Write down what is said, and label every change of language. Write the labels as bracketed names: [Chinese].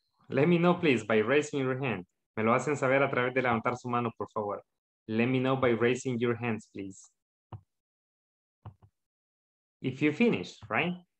[English] Let me know, please, by raising your hand. [Spanish] Me lo hacen saber a través de levantar su mano, por favor. [English] Let me know by raising your hands, please. If you finish, right?